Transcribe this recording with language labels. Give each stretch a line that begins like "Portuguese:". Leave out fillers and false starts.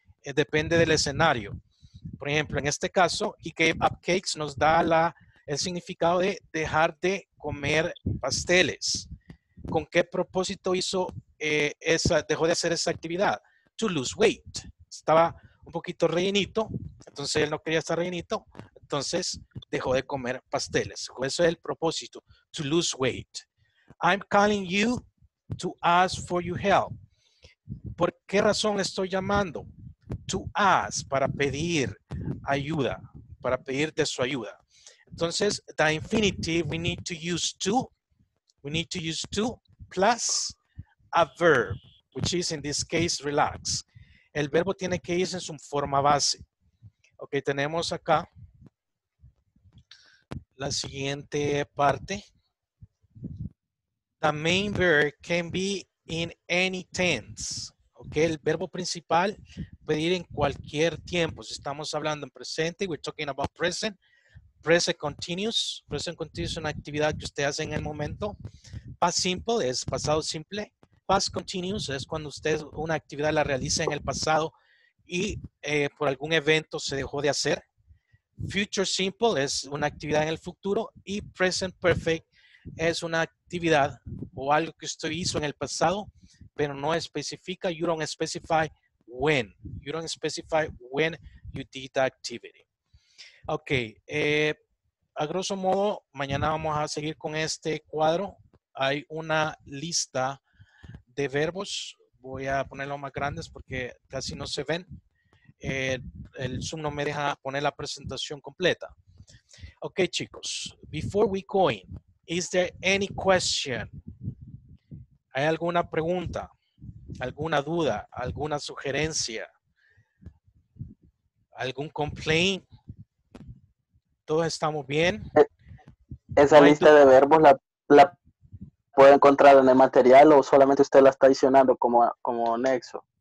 Spanish: Depende del escenario. Por ejemplo, en este caso,
English: he gave up cakes
Spanish: nos da la, el significado de dejar de comer pasteles. ¿Con qué propósito hizo esa, dejó de hacer esa actividad?
English: To lose weight.
Spanish: Estaba un poquito rellenito, entonces él no quería estar rellenito, entonces dejó de comer pasteles. Eso es el propósito,
English: to lose weight. I'm calling you to ask for your help.
Spanish: ¿Por qué razón estoy llamando?
English: To ask,
Spanish: para pedir ayuda, para pedirte su ayuda.
English: Entonces, the infinitive, we need to use to, we need to use to plus a verb, which is in this case, relax.
Spanish: El verbo tiene que irse en su forma base. Ok, tenemos acá la siguiente parte.
English: The main verb can be in any tense.
Spanish: Ok, el verbo principal puede ir en cualquier tiempo. Si estamos hablando en presente,
English: we're talking about present. Present continuous.
Spanish: Present continuous es una actividad que usted hace en el momento. Past simple es pasado simple. Past continuous es cuando usted una actividad la realiza en el pasado y por algún evento se dejó de hacer. Future simple es una actividad en el futuro y present perfect es una actividad o algo que usted hizo en el pasado, pero no especifica,
English: you don't specify when. You don't specify when you did the activity.
Spanish: Ok, a grosso modo, mañana vamos a seguir con este cuadro. Hay una lista de verbos, voy a ponerlo más grandes porque casi no se ven. El Zoom no me deja poner la presentación completa.
English: Ok, chicos, before we go in, is there any question?
Spanish: ¿Hay alguna pregunta, alguna duda, alguna sugerencia, algún complaint? ¿Todos estamos bien? Esa lista de verbos la puede encontrar en el material o solamente usted la está adicionando como anexo.